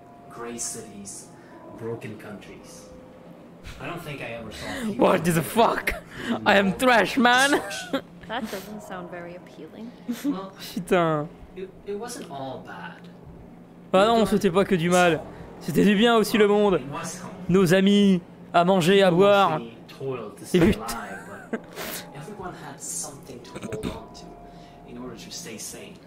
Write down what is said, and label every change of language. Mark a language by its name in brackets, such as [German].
[English] Gray cities, broken countries. I don't think I ever saw. What the fuck? I am trash, man. That doesn't sound very appealing. [French] Putain. [English] It wasn't all bad. [French] Ah non, c'était pas que du mal. C'était du bien aussi, le monde. Nos amis, à manger, à boire. Et putain. [English] Everyone had something to hold on to in order to stay sane.